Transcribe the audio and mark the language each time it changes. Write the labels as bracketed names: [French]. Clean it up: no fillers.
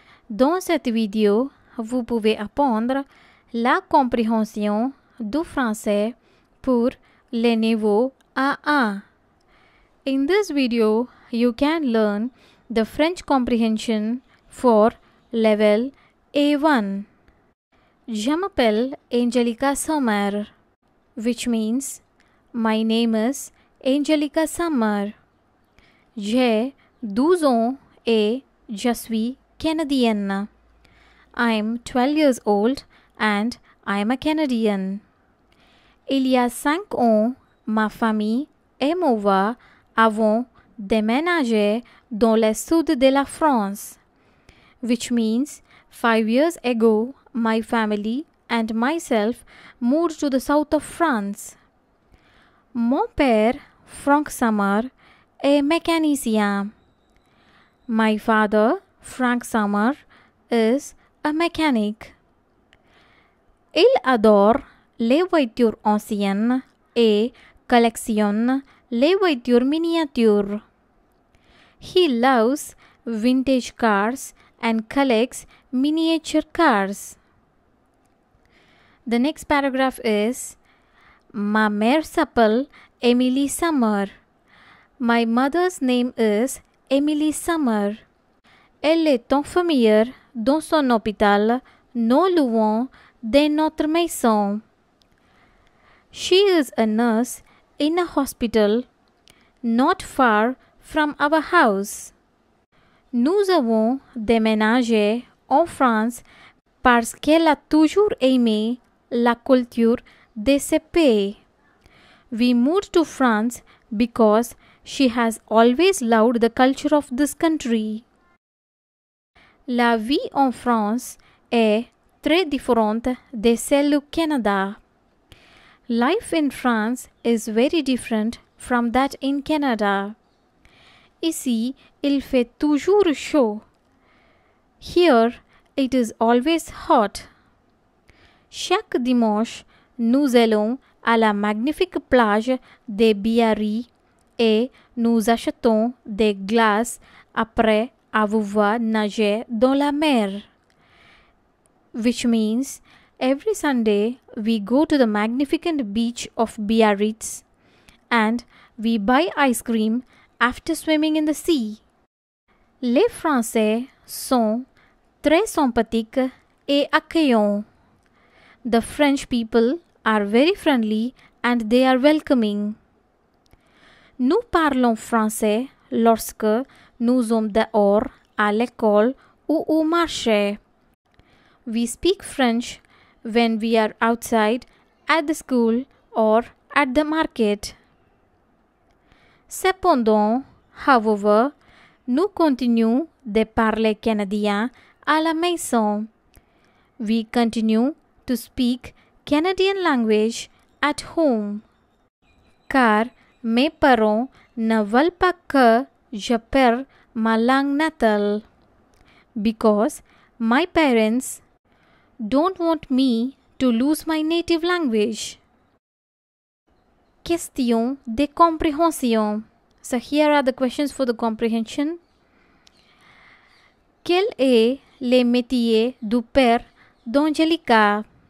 [French] Dans cette vidéo, vous pouvez apprendre la compréhension du français pour le niveau A1. [English] In this video, you can learn the French comprehension for level A1. [French] Je m'appelle Angelica Sommer, [English] which means My name is Angelica Sommer. [French] J'ai 12 ans et je suis canadienne. [English] I am 12 years old and I am a Canadian. [French] Il y a 5 ans, ma famille et moi avons déménagé dans le sud de la France. [English] Which means 5 years ago, my family and myself moved to the south of France. [French] Mon père, Frank Sommer, est mécanicien. [English] My father, Frank Sommer, is a mechanic. [French] Il adore les voitures anciennes et collectionne les voitures miniatures. [English] He loves vintage cars and collects miniature cars. The next paragraph is [French] Ma mère s'appelle Emily Sommer. [English] My mother's name is Emily Sommer. [French] Elle est infirmière dans son hôpital non loin de notre maison. [English] She is a nurse in a hospital not far from our house. [French] Nous avons déménagé en France parce qu'elle a toujours aimé la culture de ce pays. [English] We moved to France because she has always loved the culture of this country. [French] La vie en France est très différente de celle au Canada. [English] Life in France is very different from that in Canada. [French] Ici, il fait toujours chaud. [English] Here, it is always hot. [French] Chaque dimanche, nous allons à la magnifique plage de Biarritz et nous achetons des glaces après avoir nagé dans la mer. [English] Which means, every Sunday we go to the magnificent beach of Biarritz and we buy ice cream after swimming in the sea. [French] Les Français sont très sympathiques et accueillants. [English] The French people are very friendly and they are welcoming. [French] Nous parlons français lorsque nous sommes dehors à l'école ou au marché. [English] We speak French when we are outside at the school or at the market. [French] Cependant, [English] however, [French] nous continuons de parler canadien à la maison. [English] We continue to speak Canadian language at home. [French] Car mes parents ne veulent pas que je perde ma langue natale. [English] Because my parents don't want me to lose my native language. [French] Question de compréhension. [English] So here are the questions for the comprehension. [French] Quel est le métier du père d'Angelica?